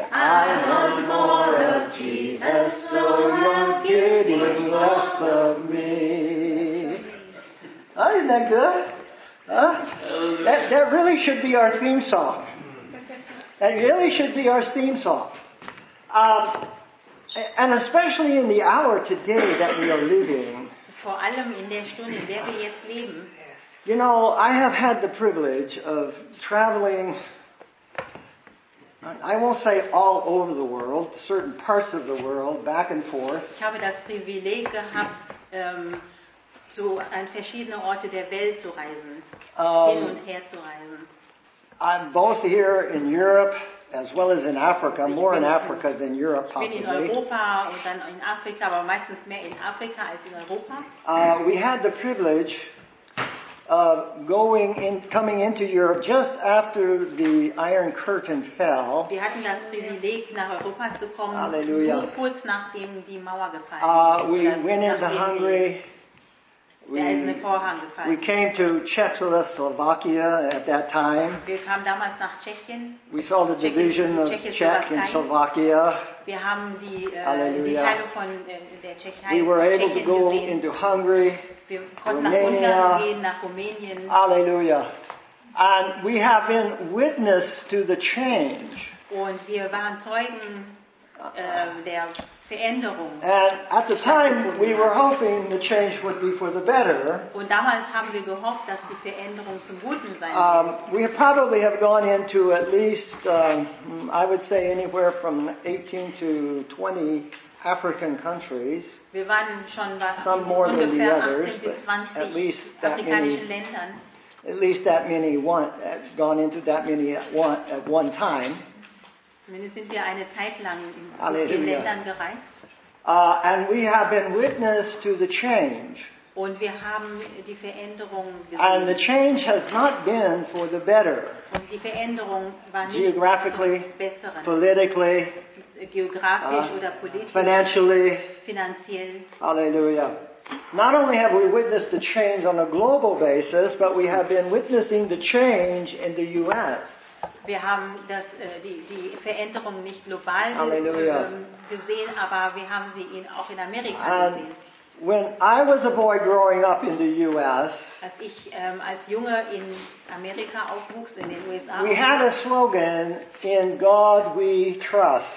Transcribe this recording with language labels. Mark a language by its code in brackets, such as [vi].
[en] I want more of Jesus, so you're getting less of me. Oh, isn't that good? Huh? That really should be our theme song. That really should be our theme song. And especially in the hour today that we are living. [de] Vor allem in der Stunde, in der wir jetzt leben. [en] You know, I have had the privilege of traveling, I won't say all over the world, certain parts of the world, back and forth. [de] Ich habe das Privileg gehabt, so an verschiedene Orte der Welt zu reisen, hin und her zu reisen. [en] I'm both here in Europe as well as in Africa, more in Africa than Europe possibly. [de] Ich bin in Europa und dann in Afrika, aber meistens mehr in Afrika als in Europa. [en] We had the privilege of coming into Europe just after the Iron Curtain fell. [de] Wir hatten das Privileg, nach Europa zu kommen. Halleluja. Nur kurz nachdem die Mauer gefallen ist. [en] We went into Hungary. We came to Czechoslovakia at that time. [de] Wir kamen damals nach Tschechien. [en] We saw the division of Czech and Slovakia. [de] Wir haben die Teilung von der Tschechien. [en] We were able to go into Hungary. [de] Wir konnten nach Ungarn gehen, nach Rumänien. [en] Hallelujah. And we have been witness to the change. [de] Und wir waren Zeugen der Veränderung. [en] And at the time, we were hoping the change would be for the better. [de] Und damals haben wir gehofft, dass die Veränderung zum Guten sein wird. [en] We probably have gone into at least, I would say, anywhere from 18 to 20 African countries. [de] Wir waren schon was [en] some in more than the others, but at least that many. At least that many gone into that many at one time. [de] Zumindest sind wir eine Zeit lang in Ländern gereist. [en] And we have been witness to the change. [de] Und wir haben die Veränderung gesehen. [en] And the change has not been for the better. [de] Und die Veränderung war nicht [en] geographically, [de] zum Besseren. [en] Politically, [de] geografisch oder politisch. [en] Financially. [de] Finanziell. Halleluja. [en] Not only have we witnessed the change on a global basis, but we have been witnessing the change in the U.S. [de] Wir haben die Veränderung nicht global gesehen, aber wir haben sie auch in Amerika [en] and [de] gesehen. [en] When I was a boy growing up in the US, [de] als ich als Junge in Amerika aufwuchs, in den USA, [en] we had a slogan, in God we trust.